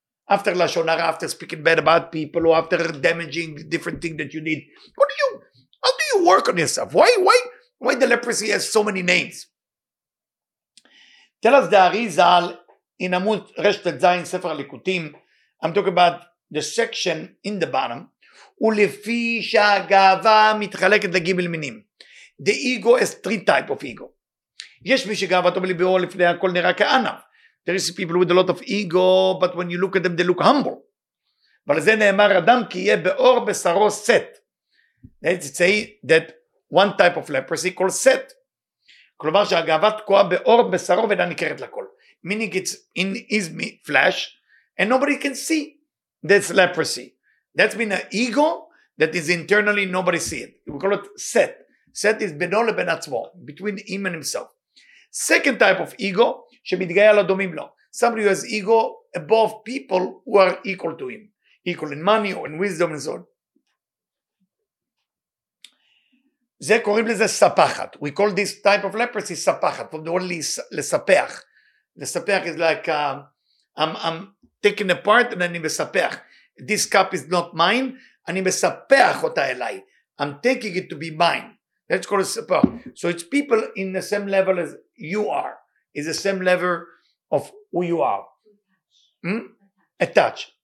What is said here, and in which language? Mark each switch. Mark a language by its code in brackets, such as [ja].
[en] After Lashon Hara, after speaking bad about people, or after damaging different things that you need. How do you work on yourself? Why the leprosy has so many names? Tell us the Arizal in Amud Resh Tetzayin Sefer HaLikutim. I'm talking about the section in the bottom. [he] ולפי שהגאווה מתחלקת לגימל מינים. [en] The ego is three type of ego. [he] יש מי שגאוותו בליבו לפני הכל נראה כענב. [en] There is people with a lot of ego, but when you look at them, they look humble. [he] אבל זה נאמר אדם כי יהיה באור בשרו סט. [en] Let's say that one type of leprosy called סט. [he] כלומר שהגאווה תקועה באור בשרו ואינה נקראת לכל. [en] Meaning it's in his flesh, and nobody can see this leprosy. That's been an ego that is internally, nobody see it. We call it set. Set is beno leben atzmo, between him and himself. Second type of ego, [he] שמתגאה על הדומים לו. [en] Somebody who has ego above people who are equal to him. Equal in money or in wisdom and so on. [he] זה קוראים לזה ספחת. [en] We call this type of leprosy ספחת. From the word לספח. Nesapech is like I'm taking apart and ani mesapech. This cup is not mine. [he] Ani mesapech ota elai. [en] I'm taking it to be mine. That's called a sapach. So it's people in the same level as you are. It's the same level of who you are. Attach.